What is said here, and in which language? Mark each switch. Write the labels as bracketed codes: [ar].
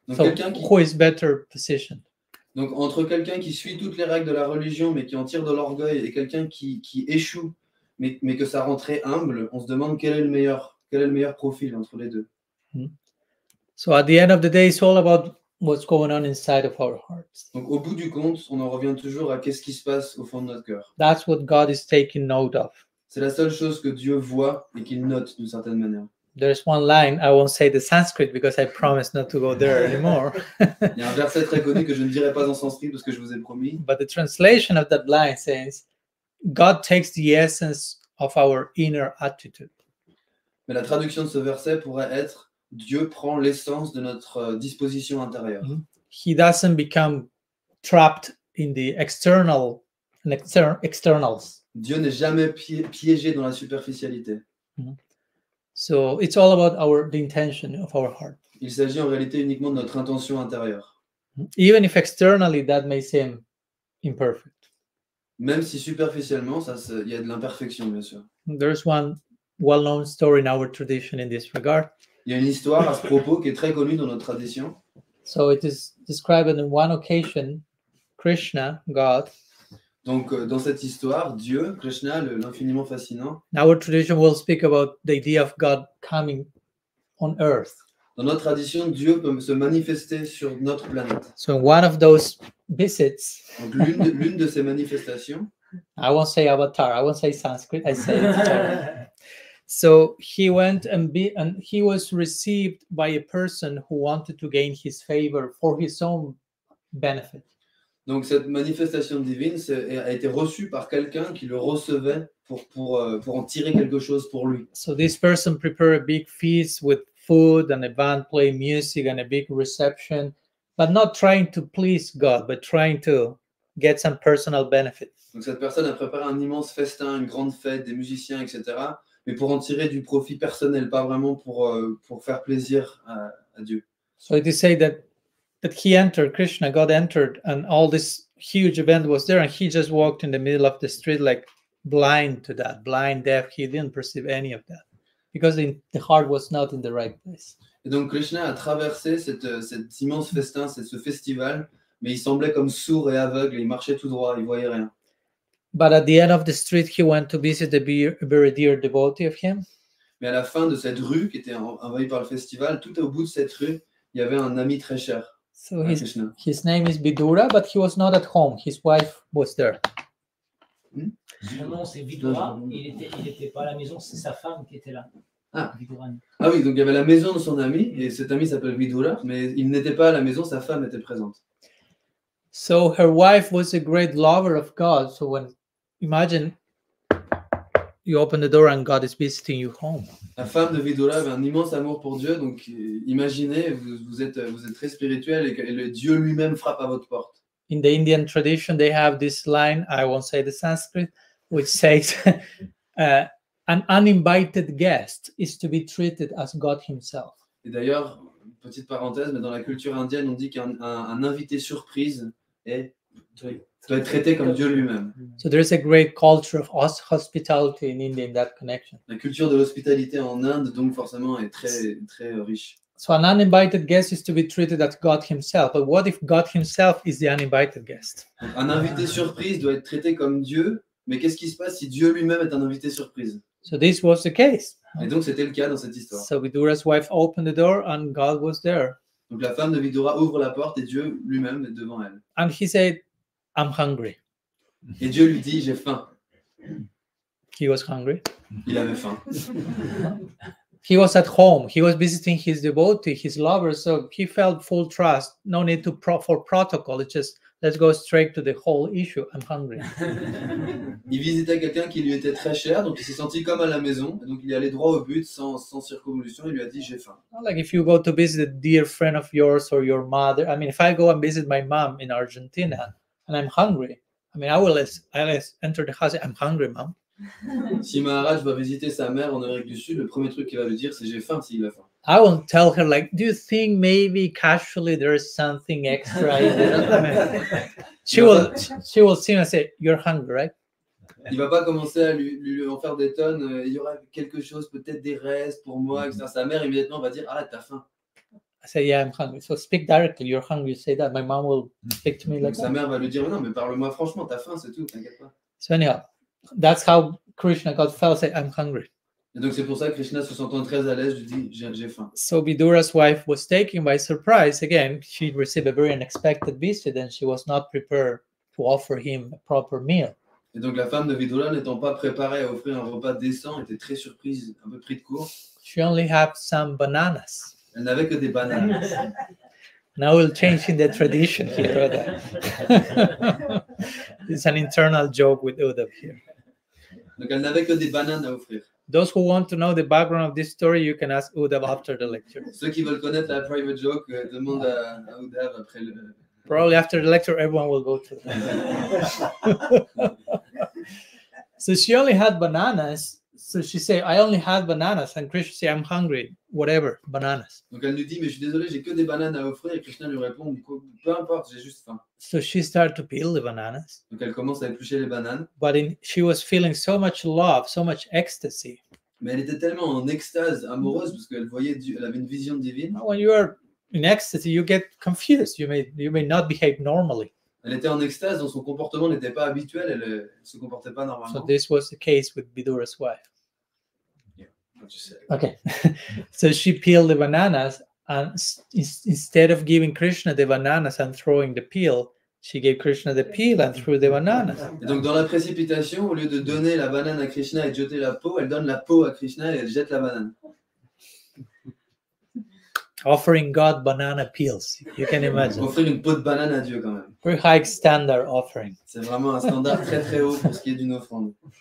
[fr] Donc [en] so, who is better positioned? [fr] Donc, entre quelqu'un qui suit toutes les règles de la religion, mais qui en tire de l'orgueil, et quelqu'un qui échoue, mais que ça rend très humble, on se demande quel est le meilleur profil entre les deux. [en] So, at the end of the day, it's all about what's going on inside of our hearts. [fr] Donc, au bout du compte, on en revient toujours à qu'est-ce qui se passe au fond de notre cœur. [en] That's what God is taking note of. [fr] C'est la seule chose que Dieu voit et qu'il note d'une certaine manière. [en] There's one line, I won't say the Sanskrit because I promise not to go there anymore. [fr] Il y a un verset très connu que je ne dirai pas en sanskrit parce que je vous ai promis. [en] But the translation of that line says, God takes the essence of our inner attitude. [fr] Mais la traduction de ce verset pourrait être, Dieu prend l'essence de notre disposition intérieure. Mm-hmm. [en] He doesn't become trapped in the externals. [fr] Dieu n'est jamais piégé dans la superficialité. Mm-hmm. [en] So it's all about the intention of our heart. [fr] Il s'agit en réalité uniquement de notre intention intérieure. [en] Even if externally that may seem imperfect. [fr] Même si superficiellement ça il y a de l'imperfection bien sûr. [en] There's one well-known story in our tradition in this regard. [fr] Il y a une histoire à ce propos qui est très connue dans notre tradition. [en] So it is described in one occasion, Krishna, God. [fr] Donc dans cette histoire, Dieu, Krishna, l'infiniment fascinant. [en] Our tradition will speak about the idea of God coming on Earth. [fr] Dans notre tradition, Dieu peut se manifester sur notre planète. [en] So one of those visits. [fr] Donc l'une de ces manifestations. [en] I won't say avatar. I won't say Sanskrit. I say. So he went and he was received by a person who wanted to gain his favor for his own benefit. [fr] Donc cette manifestation divine a été reçue par quelqu'un qui le recevait pour en tirer quelque chose pour lui. [en] So this person prepared a big feast with food and a band playing music and a big reception, but not trying to please God, but trying to get some personal benefit. [fr] Donc cette personne a préparé un immense festin, une grande fête, des musiciens, etc., mais pour en tirer du profit personnel, pas vraiment pour faire plaisir à Dieu. [en] So it is said that he entered, Krishna, God entered, and all this huge event was there, and he just walked in the middle of the street like blind to that, blind, deaf. He didn't perceive any of that because the heart was not in the right place. [fr] Et donc Krishna a traversé cet immense festin, ce festival, mais il semblait comme sourd et aveugle, il marchait tout droit, il voyait rien. [en] But at the end of the street, he went to visit a very dear devotee of him. [fr] Mais à la fin de cette rue qui était envahie par le festival, tout au bout de cette rue, Il y avait un ami très cher. [en] So his name is Vidura, but he was not at home. His wife was there. [fr] Son nom c'est Vidura. Il était pas à la maison. C'est sa femme qui était là. Ah. Ah oui, donc il y avait la maison de son ami et cet ami s'appelle Vidura, mais il n'était pas à la maison. Sa femme était présente. [en] So her wife was a great lover of God. So when imagine you open the door and God is visiting you home. [fr] La femme de Vidura avait un immense amour pour Dieu, donc imaginez, vous êtes très spirituel et le Dieu lui-même frappe à votre porte. [en] In the Indian tradition, they have this line, I won't say the Sanskrit, which says, an uninvited guest is to be treated as God himself. [fr] Et d'ailleurs, petite parenthèse, mais dans la culture indienne, on dit qu'un invité surprise est... doit être traité comme Dieu lui-même. [en] So there is a great culture of hospitality in India in that connection. [fr] La culture de l'hospitalité en Inde donc forcément est très très riche. [en] So an uninvited guest is to be treated as God himself. But what if God himself is the uninvited guest? [fr] Un invité surprise doit être traité comme Dieu, mais qu'est-ce qui se passe si Dieu lui-même est un invité surprise? [en] So this was the case. [fr] Et donc c'était le cas dans cette histoire. [en] So Vidura's wife opened the door and God was there. [fr] Donc la femme de Vidura ouvre la porte et Dieu lui-même est devant elle. [en] And he said, I'm hungry. [fr] Et Dieu lui dit, j'ai faim. [en] He was hungry. [fr] Il avait faim. [en] He was at home. He was visiting his devotee, his lover. So he felt full trust. No need to for protocol. It's just, let's go straight to the whole issue. I'm hungry. [fr] Il visitait quelqu'un qui lui était très cher. Donc il s'est senti comme à la maison. Donc il est allé droit au but sans circonvolution. Il lui a dit, j'ai faim. [en] Like if you go to visit a dear friend of yours or your mother. I mean, if I go and visit my mom in Argentina. And I'm hungry. I mean, I will enter the house. I'm hungry, mom. [fr] Si Maharaj va visiter sa mère en Amérique du Sud, le premier truc qu'il va lui dire, c'est j'ai faim, s'il a faim. [en] I won't tell her like, do you think maybe casually there is something extra? I mean, she will see and say, you're hungry, right? [fr] Il va pas commencer à lui en faire des tonnes. Il y aura quelque chose, peut-être des restes pour moi. Mm-hmm. Sa mère immédiatement va dire, ah, t'as faim. [en] I say, yeah, I'm hungry. So speak directly. You're hungry. You say that. My mom will speak to me like that. [fr] Sa mère va lui dire, non, mais parle-moi franchement. T'as faim, c'est tout. T'inquiète pas. [en] So anyhow, that's how Krishna got felt. Say, I'm hungry. [fr] Et donc, c'est pour ça que Krishna se sentant très à l'aise, lui dit, j'ai faim. [en] So Vidura's wife was taken by surprise. Again, she received a very unexpected visit and she was not prepared to offer him a proper meal. [fr] Et donc, la femme de Vidura n'étant pas préparée à offrir un repas décent, était très surprise, un peu pris de court. [en] She only had some bananas. [fr] Elle n'avait que des bananes. [en] Now we'll change in the tradition here, brother. It's an internal joke with Uddhav here. [fr] Donc elle n'avait que des bananes à offrir. [en] Those who want to know the background of this story, you can ask Uddhav after the lecture. [fr] Ceux qui veulent connaître la private joke, demande à Uddhav après le. [en] Probably after the lecture, everyone will go to. So she only had bananas. So she said, I only had bananas. And Krishna said, I'm hungry. Whatever, bananas. [fr] Donc elle nous dit, mais je suis désolé, j'ai que des bananes à offrir. Et Krishna lui répond, peu importe, j'ai juste faim. [en] So she started to peel the bananas. [fr] Donc elle commence à éplucher les bananes. [en] But she was feeling so much love, so much ecstasy. [fr] Mais elle était tellement en extase amoureuse parce qu'elle voyait, elle avait une vision divine. [en] When you are in ecstasy, you get confused. You may not behave normally. [fr] Elle était en extase, donc son comportement n'était pas habituel, elle ne se comportait pas normalement. [en] So this was the case with Vidura's wife. Yeah, what you said. Okay. So she peeled the bananas, and instead of giving Krishna the bananas and throwing the peel, she gave Krishna the peel and threw the bananas. [fr] Et donc dans la précipitation, au lieu de donner la banane à Krishna et de jeter la peau, elle donne la peau à Krishna et elle jette la banane. [en] Offering God banana peels, you can imagine. [fr] Offrir une peau de banane à Dieu quand même. [en] Very high standard offering. [fr] C'est vraiment un standard très très haut pour ce qui est d'une offrande.